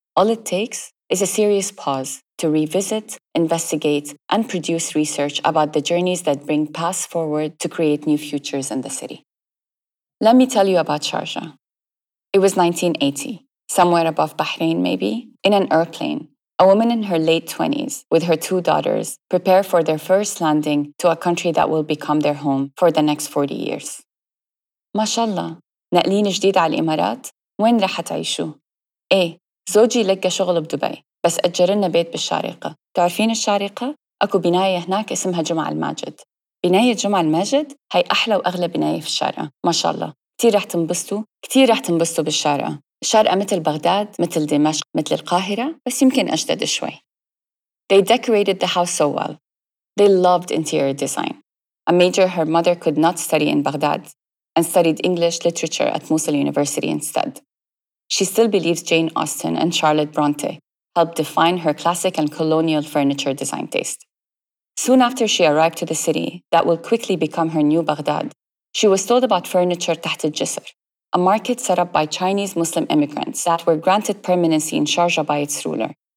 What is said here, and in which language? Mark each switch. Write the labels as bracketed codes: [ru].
[en] All it takes is a serious pause to revisit, investigate, and produce research about the journeys that bring past forward to create new futures in the city. Let me tell you about Sharjah. It was 1980, somewhere above Bahrain maybe, in an airplane. A woman in her late 20s with her two daughters prepare for their first landing to a country that will become their home for the next 40 years. [ar] MashaAllah, نقلين جديد على الإمارات؟ وين رح تعيشوا؟ إيه، زوجي لقى شغل بدبي، بس أجرنا بيت بالشارقة. تعرفين الشارقة؟ أكو بناية هناك اسمها جمع الماجد. بناية جمع المجد هي أحلى وأغلى بناية في الشارع ما شاء الله كتير رح تنبسطوا كتير رح تنبسطوا بالشارع الشارع مثل بغداد مثل دمشق مثل القاهرة بس يمكن أجدد شوي [en] They decorated the house so well They loved interior design A major her mother could not study in Baghdad and studied English literature at Mosul University instead She still believes Jane Austen and Charlotte Bronte helped define her classic and colonial furniture design taste Soon after she arrived to the city that will quickly become her new Baghdad, she was told about furniture Taht al-Jisr, a market set up by Chinese Muslim immigrants that were granted permanency in Sharjah by its ruler.